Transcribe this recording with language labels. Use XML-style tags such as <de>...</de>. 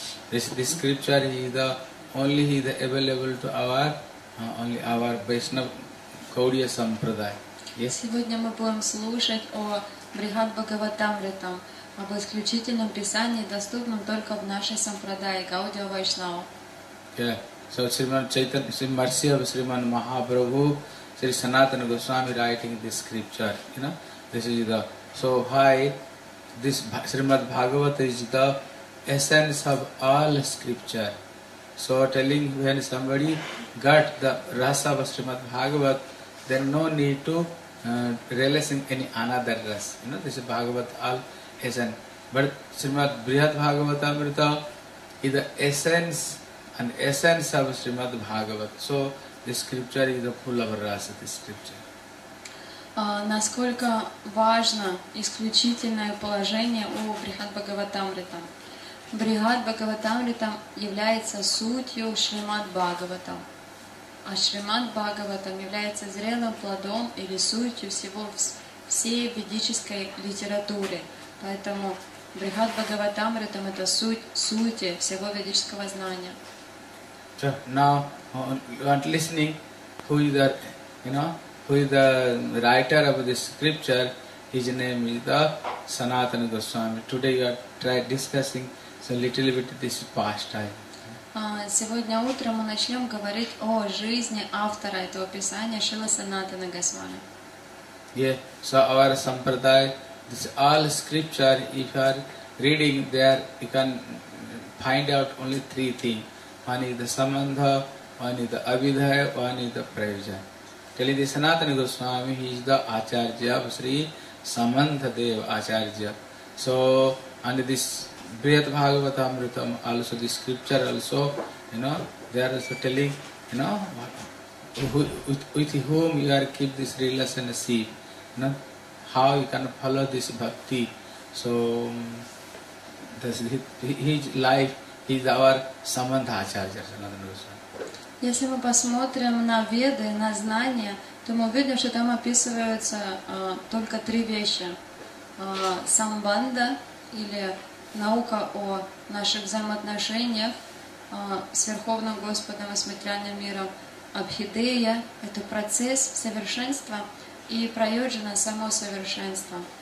<en>This scripture is the only he is available to our Vaishnav Gaudiya Sampradaya. Yes?</en> <ru>Сегодня мы будем слушать о Брихад Бхагаватамритам, об исключительном писании, доступном только в нашей Сампрадае, Гаудия Вайшнава.</ru> <en>Yeah. So, Sriman Chaitanya, Sriman Mercy of Sriman Mahaprabhu, Sri Sanatana Goswami writing this scripture. You know, this is the... So, why this Srimad Bhagavata is the essence of all scripture. So telling when somebody got the rasa of Srimad Bhagavat, then no need to realizing any another rasa. You know, this is Bhagavat all essence. But Srimad Brihad Bhagavatamrita is the essence of Srimad Bhagavat. So this scripture is the full of rasa, this scripture.</en> <ru>Насколько важно исключительное положение у Брихад Бхагаватамрита? Брихад Бхагаватамритам является сутью Шримад Бхагаватам. А Шримад Бхагаватам является зрелым плодом или сутью всего всей ведической литературы. Поэтому Брихад Бхагаватамритам это сути всего ведического знания.</ru> <en>So now you are listening, who is the, you know, who is the writer of this scripture, his name is the Sanatana Goswami. Today you are discussing so little bit this past time.</en> <ru>Сегодня утром мы начнем говорить о жизни автора этого писания Шрила Санатана Госвами.</ru> <en>Yeah, so our sampradaya, this all scripture, if you are reading there, you can find out only three things. One is the samandha, one is the abhidhaya, one is the prayojan. Telling the Sanatana Goswami, he is the acharya of Sri Samandha Dev Acharya. So, and this Brihat Bhagavatamritam, also the scripture also, you know, they are also telling, you know, with whom you are keep this relationship, you know, how you can follow this bhakti. So, his life is our samandha acharya, Sanatana Goswami.</en> <ru>Если мы посмотрим на Веды, на знания, то мы увидим, что там описываются только три вещи. Самбанда, или наука о наших взаимоотношениях с Верховным Господом и с материальным миром, Абхидея – это процесс совершенства и прайоджана – само совершенство.</ru>